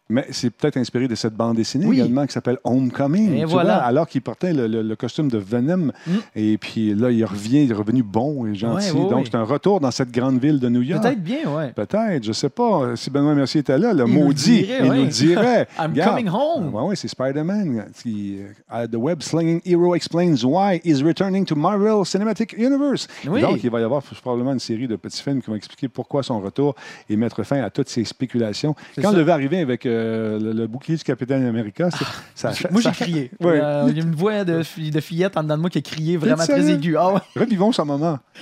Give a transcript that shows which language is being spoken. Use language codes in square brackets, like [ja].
[fr] Mais c'est peut-être inspiré de cette bande dessinée également qui s'appelle Homecoming. Et voilà. Vois, alors qu'il portait le costume de Venom. Mm. Et puis là, il est revenu bon et gentil. Ouais, ouais, donc, c'est un retour dans cette grande ville de New York. Peut-être bien, oui. Peut-être, je ne sais pas. Si Benoît Mercier était là, il nous dirait. [en] I'm coming home. [fr] Oui, c'est Spider-Man. [en] The web-slinging hero explains why he's returning to Marvel Cinematic Universe. [fr] Oui. Donc, il va y avoir probablement une série de petits films qui vont expliquer pourquoi son retour et mettre fin à toutes ces spéculations. Quand devait arriver avec le bouclier du Capitaine America, j'ai crié. Oui. Il y a une voix de fillette en dedans de moi qui a crié vraiment très aiguë. Revivons ce moment.